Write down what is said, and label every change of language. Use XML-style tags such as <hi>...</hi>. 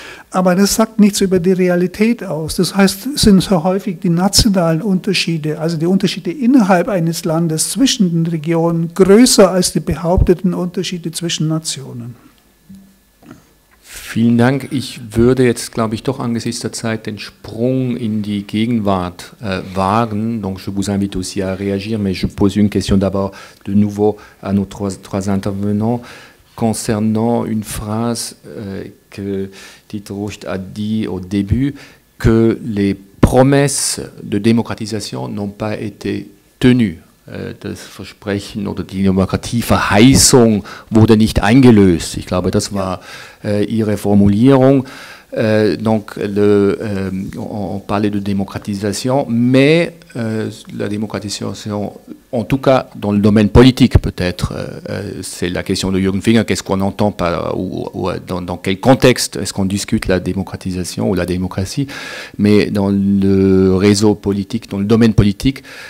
<de>Aber das sagt nichts über die Realität aus. Das heißt, es sind so häufig die nationalen Unterschiede, also die Unterschiede innerhalb eines Landes zwischen den Regionen, größer als die behaupteten Unterschiede zwischen Nationen. Vielen Dank. Ich würde jetzt, glaube ich, doch angesichts der Zeit den Sprung in die Gegenwart wagen.</de> <fr>Donc, je vous invite aussi à réagir, mais je pose une question d'abord de nouveau à nos trois intervenants concernant une phrase que Dieter Rucht a dit au début, que les promesses de démocratisation n'ont pas été tenues.</fr> <de>Das Versprechen oder die Demokratieverheißung wurde nicht eingelöst. Ich glaube, das war Ihre Formulierung.</de> <fr>On parlait de démocratisation, mais la démocratisation, en tout cas dans le domaine politique peut-être, c'est la question de Jürgen Finger, qu'est-ce qu'on entend par, ou dans quel contexte est-ce qu'on discute la démocratisation ou la démocratie, mais dans le réseau politique, dans le domaine politique,</fr>